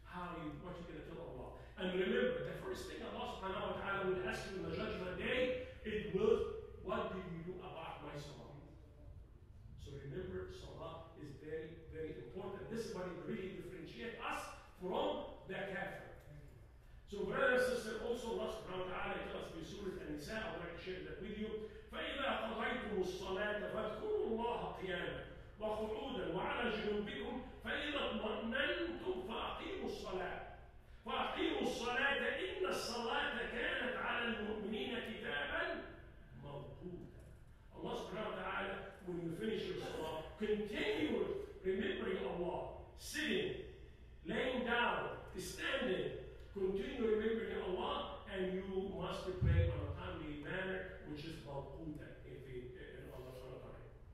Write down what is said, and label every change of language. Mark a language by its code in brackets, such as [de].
[en] What you're going to tell Allah. And remember, the first thing Allah subhanahu wa ta'ala will ask you in the judgment day, it will, what do you do about my salah? So remember, salah is very, very important. This is what it really differentiates us from the kafir. So, brother and sister, also Allah subhanahu wa ta'ala tells us in Surah An-Nisa, I would like to share that with you. [ar] فَإِذَا قَضَيْتُمُ الصَّلَاةَ فَاذْكُرُوا اللَّهَ قِيَامًا وقعودا وعلى جنوبكم فإذا اطمأننتم فأقيموا الصلاة فأقيموا الصلاة إن الصلاة كانت على المؤمنين كتابا موقوتا. الله سبحانه وتعالى, [en] when you finish your salah, continue remembering Allah, sitting, laying down, standing, continue remembering Allah, and you must pray on a timely manner, which is موقوتا in Allah [ar] سبحانه وتعالى.